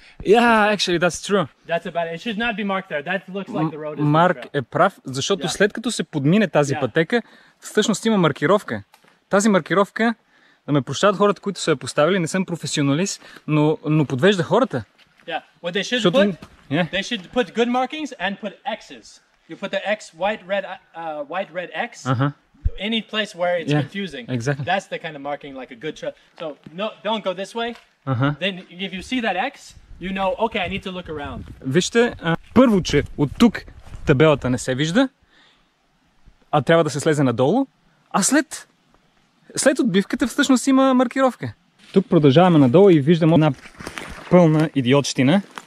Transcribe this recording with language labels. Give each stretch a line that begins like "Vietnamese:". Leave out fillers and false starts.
English: Yeah, actually that's true. That's a bad. It should not be marked there. That looks like the road is.
Bulgarian: Марк е прав, защото след като се подмине тази пътека, всъщност има маркировка. Тази маркировка, да ме прощават хората, които са я поставили, не съм професионалист, но подвежда хората.
English: Yeah. What they should put? They should put good markings and put X's. You put the X, white red X. Any place where it's confusing. Exactly. That's the kind of marking like a good truck. So, no, don't go this way. Then if you see that X, you know, okay, I need to look around.
Bulgarian: Вижте, първо, че от тук табелата не се вижда, а трябва да се слезе надолу, а след отбивката всъщност има маркировка. Тук продължаваме надолу и виждам една пълна идиотщина.